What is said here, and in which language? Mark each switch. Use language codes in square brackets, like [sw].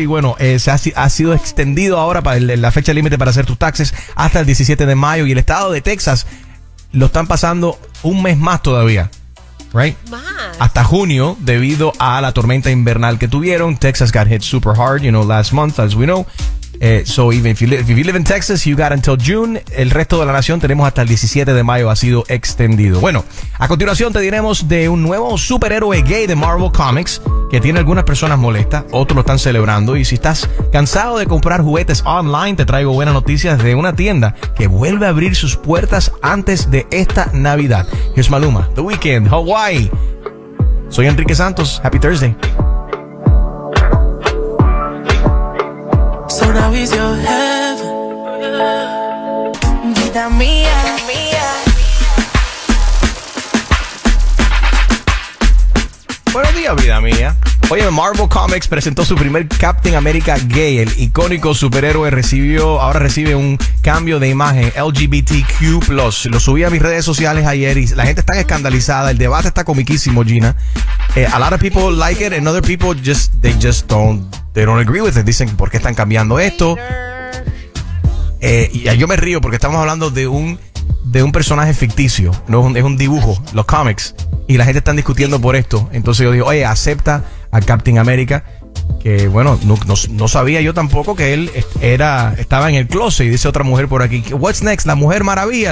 [es] Y bueno, se ha sido extendido ahora para la fecha límite para hacer tus taxes hasta el 17 de mayo. Y el estado de Texas lo están pasando un mes más todavía. [en] Right. [es] Hasta junio, debido a la tormenta invernal que tuvieron. [en] Texas got hit super hard, you know, last month, as we know. So even if you live in Texas, you got until June. [es] El resto de la nación tenemos hasta el 17 de mayo, ha sido extendido. Bueno, a continuación te diremos de un nuevo superhéroe gay de Marvel Comics que tiene algunas personas molestas, otros lo están celebrando. Y si estás cansado de comprar juguetes online, te traigo buenas noticias de una tienda que vuelve a abrir sus puertas antes de esta Navidad. [en] Here's Maluma, The Weeknd, Hawaii. [es] Soy Enrique Santos, [en] happy Thursday. Now he's your heaven. [es] Vida mía, mía. Buenos días, vida mía. Oye, Marvel Comics presentó su primer Captain America gay. El icónico superhéroe ahora recibe un cambio de imagen LGBTQ+. Lo subí a mis redes sociales ayer y la gente está escandalizada. El debate está comiquísimo, Gina. [en] A lot of people like it and other people just don't agree with it. [es] Dicen, ¿por qué están cambiando esto? Y yo me río porque estamos hablando de un personaje ficticio. No es un dibujo, los comics. Y la gente está discutiendo por esto. Entonces yo digo, oye, acepta a Captain America, que bueno, no sabía yo tampoco que él estaba en el closet. Y dice otra mujer por aquí, [en] what's next, [es] la Mujer Maravilla.